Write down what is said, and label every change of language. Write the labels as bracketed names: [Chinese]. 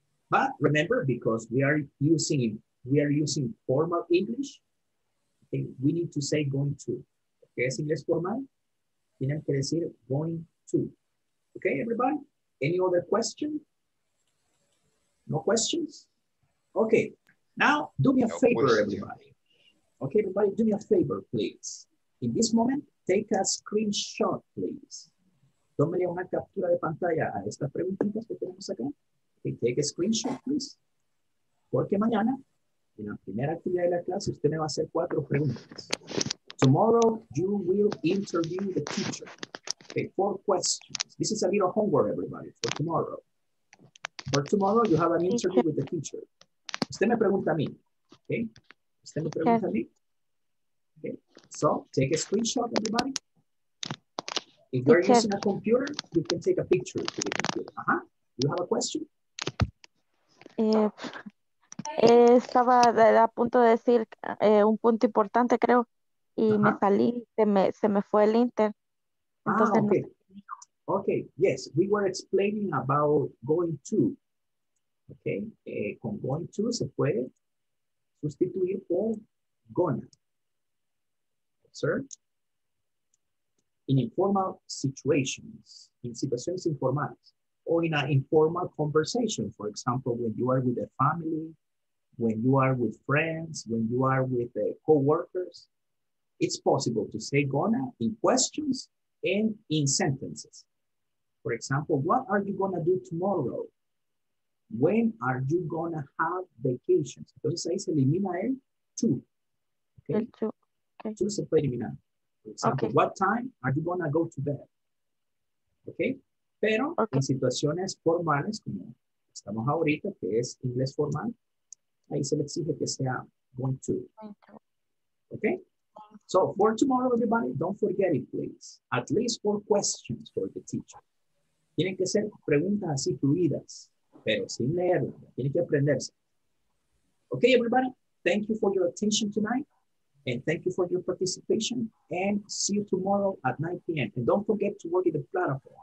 [English] But remember, because we are using formal English, okay, we need to say going to. [Spanish] Okay, es inglés formal, tienen que decir going to. [English] Okay, everybody? Any other question? No questions? Okay, now do me a favor, everybody. Okay, everybody, do me a favor, please. In this moment, take a screenshot, please. [Spanish] Tómele una captura de pantalla a estas preguntitas que tenemos acá. [English] Okay, take a screenshot, please. [Spanish] Porque mañana, en la primera actividad de la clase, usted me va a hacer cuatro preguntas. [English] Tomorrow, you will interview the teacher. Okay, four questions. This is a little homework, everybody, for tomorrow. For tomorrow, you have an interview with the teacher. [Spanish] Usted me pregunta a mí. Okay? Usted me pregunta a mí. Okay? [English] So, take a screenshot, everybody. If you're using a computer, you can take a picture to the computer. Uh-huh. You have a question? [Spanish] Estaba a punto de decir un punto importante, creo, y me salí, se me fue el inter. Entonces, [English] okay. [Spanish] No, [English] Okay, yes, we were explaining about going to. [Spanish] Okay, con going to se puede sustituir por gonna. Observe. [English] In informal situations, [Spanish] in situaciones informales, [English] or in an informal conversation, for example, when you are with a family, when you are with friends, when you are with co-workers, it's possible to say gonna in questions and in sentences. For example, what are you gonna do tomorrow? When are you gonna have vacations? [Spanish] Entonces ahí se elimina el to. Okay? El to. Okay. To se puede eliminar. [English] For example, [Spanish] okay. [English] What time are you gonna go to bed? Okay? Pero okay. [Spanish] En situaciones formales, como estamos ahorita, que es inglés formal, ahí se le exige que sea going to. [English] Okay? So for tomorrow, everybody, don't forget it, please. At least 4 questions for the teacher. [Spanish] Tienen que ser preguntas así fluidas, pero sin leerlas. Tienen que aprenderse. [English] Okay, everybody, thank you for your attention tonight. And thank you for your participation. And see you tomorrow at 9 p.m. And don't forget to work in the platform.